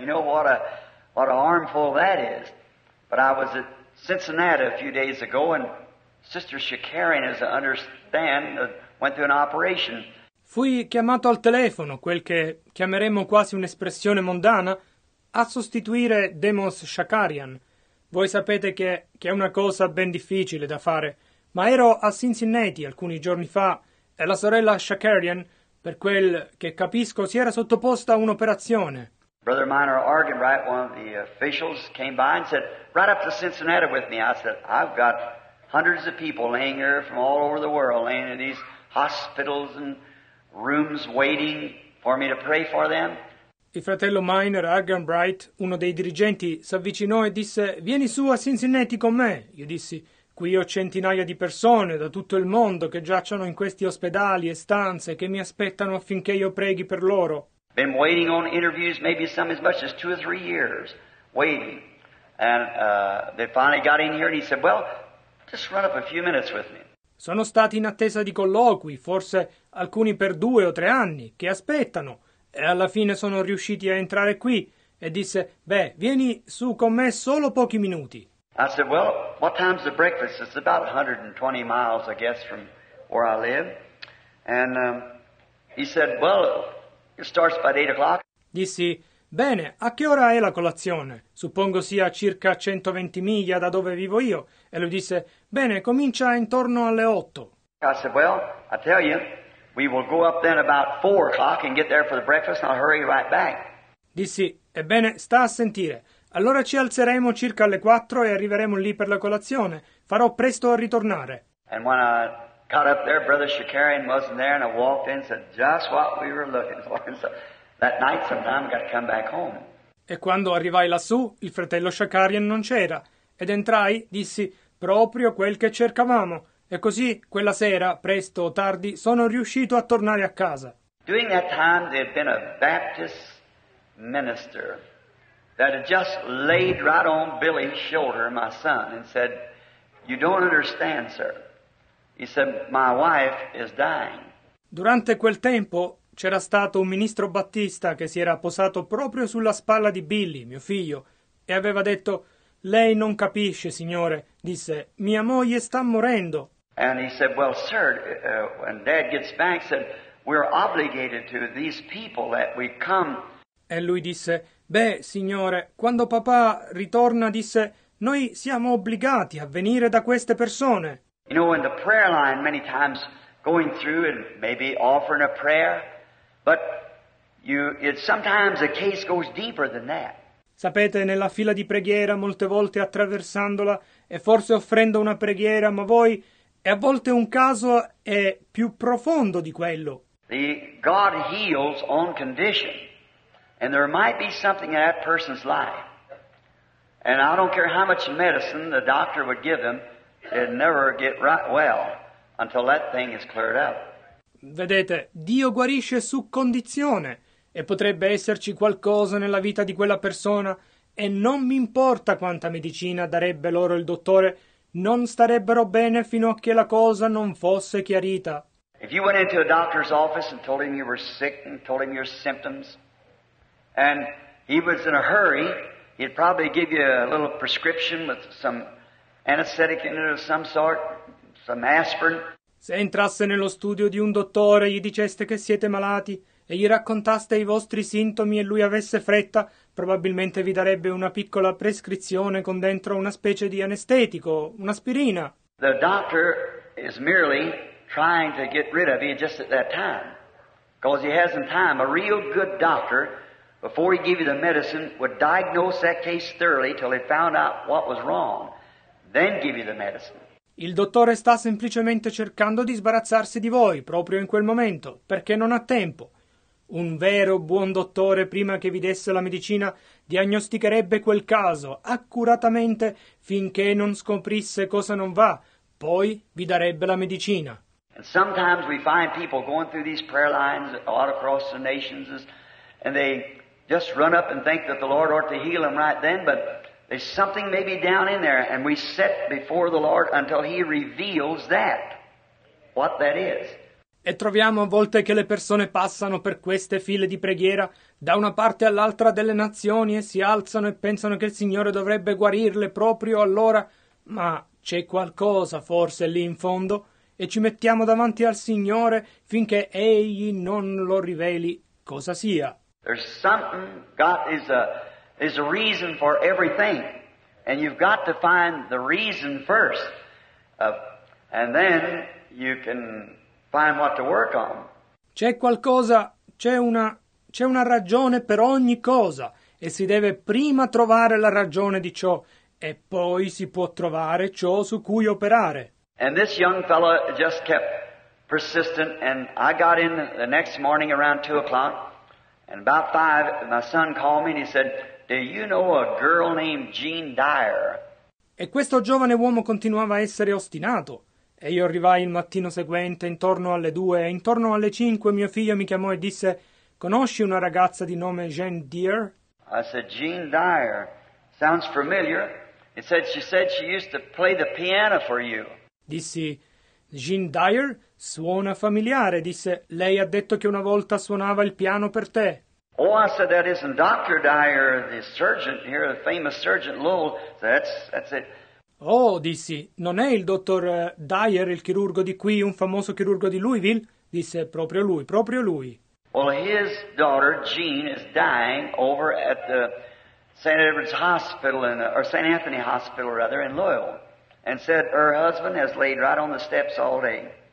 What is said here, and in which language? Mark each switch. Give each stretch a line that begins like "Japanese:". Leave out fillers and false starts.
English: You know what a armful that is. But I was at Cincinnati a few days ago and Sister Shikarian, as I understand, went through an operation.
Italian: Fui chiamato al telefono, quel che chiameremmo quasi un'espressione mondana, a sostituire Demos Shakarian. Voi sapete che è una cosa ben difficile da fare, ma ero a Cincinnati alcuni giorni fa e la sorella Shakarian, per quel che capisco, si era sottoposta a un'operazione.
English: Brother Minor Argenright, one of the officials, came by and said, right up to Cincinnati with me. I said, I've got hundreds of people laying here from all over the world, laying in these hospitals and rooms waiting for me to pray for them.
Italian: Il fratello Minor Argenbright, uno dei dirigenti, s'avvicinò e disse, vieni su a Cincinnati con me. Io dissi, qui ho centinaia di persone da tutto il mondo che giacciono in questi ospedali e stanze che mi aspettano affinché io preghi per loro.
English: Been waiting on interviews, maybe some as much as 2 or 3 years, waiting. And they finally got in here and he said, well, just run up a few minutes with me.
Italian: Sono stati in attesa di colloqui, forse alcuni per 2 o 3 anni, che aspettano. E alla fine sono riusciti a entrare qui. E disse, beh, vieni su con me solo pochi minuti.
English: I said, well, what time's the breakfast? It's about 120 miles, I guess, from where I live. And he said, well, it starts about 8 o'clock.
Italian: Dissi, bene, a che ora è la colazione? Suppongo sia circa 120 miglia da dove vivo io. E lui disse, bene, comincia intorno alle 8.
English: I said, well, I tell you, we will go up then about 4 o'clock and get there for the breakfast and I'll hurry right back.
Italian: Dissi, ebbene, sta a sentire. Allora ci alzeremo circa alle 4 e arriveremo lì per la colazione. Farò presto a ritornare.
English: And when I got up there, Brother Shakarian wasn't there and I walked in and said, just what we were looking for. And so that night sometime I got to come back home.
Italian: E quando arrivai lassù, il fratello Shakarian non c'era. Ed entrai, dissi, proprio quel che cercavamo. E così, quella sera, presto o tardi, sono riuscito a tornare a casa.
English: During that time there had been a Baptist minister that had just laid right on Billy's shoulder, my son, and said, you don't understand, sir. He said, my wife is dying.
Italian: Durante quel tempo c'era stato un ministro battista che si era posato proprio sulla spalla di Billy, mio figlio, e aveva detto, lei non capisce, signore, disse, mia moglie sta morendo.
English: And he said, well, sir, when Dad gets back, said, we're obligated to these people that we come.
Italian: E lui disse, beh, signore, quando papà ritorna, disse, noi siamo obbligati a venire da queste persone.
English: You know, in the prayer line, many times going through and maybe offering a prayer, but sometimes the case goes deeper than that.
Italian: Sapete, nella fila di preghiera, molte volte attraversandola e forse offrendo una preghiera, ma voi, e a volte un caso è più profondo di quello.
English: The God heals on condition. And there might be something in that person's life. And I don't care how much medicine the doctor would give them, it'd never get right well until that thing is cleared up.
Italian: Vedete, Dio guarisce su condizione. E potrebbe esserci qualcosa nella vita di quella persona, e non mi importa quanta medicina darebbe loro il dottore, non starebbero bene fino a che la cosa non fosse chiarita.
English: If you went into a doctor's office and told him you were sick and told him your symptoms, and he was in a hurry, he'd probably give you a little prescription with some anesthetic in it of some sort, some aspirin.
Italian: Se entrasse nello studio di un dottore e gli diceste che siete malati, e gli raccontaste i vostri sintomi e lui avesse fretta, probabilmente vi darebbe una piccola prescrizione con dentro una specie di anestetico, un'aspirina.
English: The doctor is merely trying to get rid of you just at that time, because he hasn't time. A real good doctor, before he gave you the medicine, would diagnose that case thoroughly till he found out what was wrong, then give you the medicine.
Italian: Il dottore sta semplicemente cercando di sbarazzarsi di voi, proprio in quel momento, perché non ha tempo. Un vero buon dottore, prima che vi desse la medicina, diagnosticherebbe quel caso accuratamente finché non scoprisse cosa non va, poi vi darebbe la medicina.
English: And sometimes we find people going through these prayer lines all across the nations and they just run up and think that the Lord ought to heal them right then, but there's something maybe down in there and we set before the Lord until he reveals that, what that is.
Italian: E troviamo a volte che le persone passano per queste file di preghiera da una parte all'altra delle nazioni e si alzano e pensano che il Signore dovrebbe guarirle proprio allora, ma c'è qualcosa forse lì in fondo e ci mettiamo davanti al Signore finché Egli non lo riveli cosa sia.
English: There's something, God is a reason for everything and you've got to find the reason first and then you can find what to work on.
Italian: C'è qualcosa, c'è una ragione per ogni cosa e si deve prima trovare la ragione di ciò e poi si può trovare ciò su cui operare.
English: And this young fellow just kept persistent and I got in the next morning around 2 o'clock and about 5 my son called me and he said, do you know a girl named Jean Dyer?
Italian: E questo giovane uomo continuava a essere ostinato. E io arrivai il mattino seguente, intorno alle 2, e intorno alle 5 mio figlio mi chiamò e disse, conosci una ragazza di nome Jean Dyer?
English: I said, Jean Dyer, sounds familiar. She said she used to play the piano for you.
Italian: Dissi, Jean Dyer suona familiare, disse, lei ha detto che una volta suonava il piano per te.
English: Oh, I said, that isn't Dr. Dyer, the surgeon here, the famous surgeon Lowell. So that's it.
Italian: Oh, dissi, non è il dottor Dyer, il chirurgo di qui, un famoso chirurgo di Louisville? Disse, proprio lui, proprio lui.
English: Well, his daughter Jean is dying over at the St. Edward's Hospital in, or St. Anthony Hospital rather in Louisville, and said her husband has laid right on the steps all day.